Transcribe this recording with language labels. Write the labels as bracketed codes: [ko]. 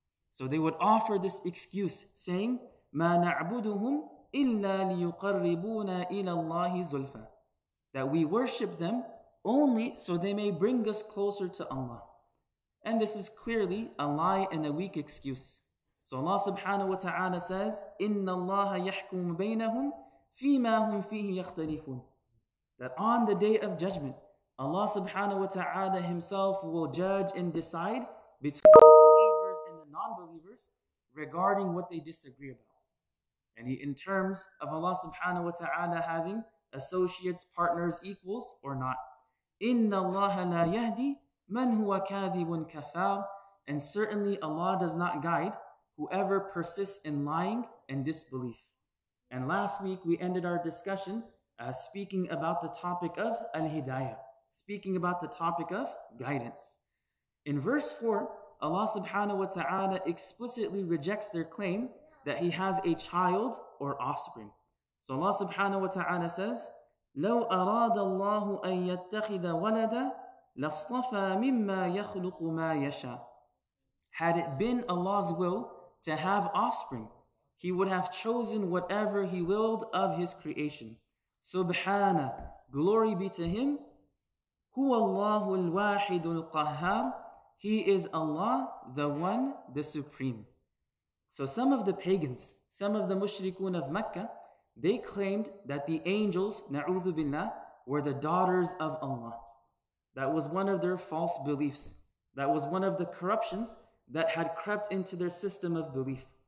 [en] So they would offer this excuse, saying, [ar] مَا نَعْبُدُهُمْ إِلَّا لِيُقَرِّبُونَ إِلَى اللَّهِ زُلْفًا. [en] That we worship them only so they may bring us closer to Allah. And this is clearly a lie and a weak excuse. So Allah subhanahu wa ta'ala says, [ar] إِنَّ اللَّهَ يَحْكُمُ بَيْنَهُمْ فِي مَا هُمْ فِيهِ يَخْتَلِفُونَ. [en] That on the day of judgment, Allah subhanahu wa ta'ala Himself will judge and decide between the believers and the non-believers regarding what they disagree about. And in terms of Allah subhanahu wa ta'ala having associates, partners, equals or not. [ar] إِنَّ اللَّهَ لَا يَهْدِي مَنْ هُوَ كَاذِبٌ كَفَّارٌ. [en] And certainly Allah does not guide whoever persists in lying and disbelief. And last week we ended our discussion speaking about the topic of al-hidayah, speaking about the topic of guidance. In verse 4, Allah subhanahu wa ta'ala explicitly rejects their claim that He has a child or offspring. So Allah subhanahu wa ta'ala says, [ar] لَوْ أَرَادَ اللَّهُ أَن يَتَّخِذَ وَلَدًا لَاصْطَفَى مِمَّا يَخْلُقُ مَا يَشَاءُ. [en] Had it been Allah's will to have offspring, He would have chosen whatever He willed of His creation. [ar] سُبْحَانَ, [en] glory be to Him, [ar] هُوَ اللَّهُ الْوَاحِدُ الْقَهَّارُ. [en] He is Allah, the One, the Supreme. So some of the pagans, some of the mushrikun of Mecca, they claimed that the angels, na'udhu billah, were the daughters of Allah. That was one of their false beliefs. That was one of the corruptions that had crept into their system of belief.